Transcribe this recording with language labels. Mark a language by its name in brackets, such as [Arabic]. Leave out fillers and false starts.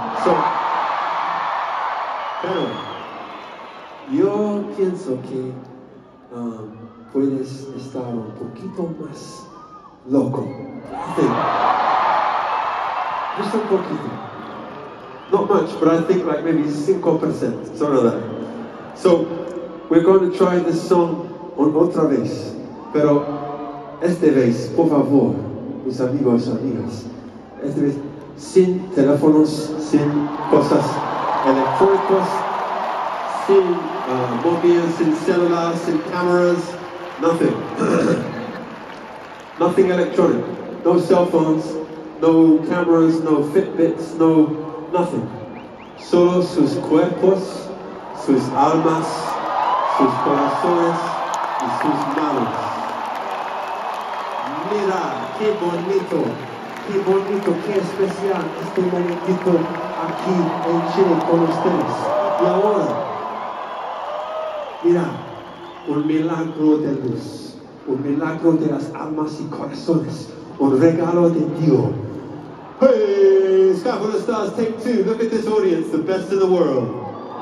[English] So, [Spanish] pero yo pienso que puedes estar un poquito más loco. [English] I think. Just [Spanish] un poquito. [English] Not much, but I think like maybe 5%, something like that. So, we're going to try this song on [Spanish] otra vez. Pero esta vez, por favor, mis amigos, amigas, esta vez sin teléfonos, sin cosas electrónicas, sin móviles, sin celulares, sin [English] cameras, nothing. Nothing electronic. No cell phones, no cameras, no Fitbits, no nothing. [Spanish] Solo sus cuerpos, sus almas, sus corazones y sus manos. Mira, qué bonito, qué especial este momentito aquí en Chile con ustedes. Y ahora, mira, un milagro de luz, un milagro de las almas y corazones, un regalo de Dios. [English] Hey, Sky for the Stars, take two. Look at this audience, the best in the world.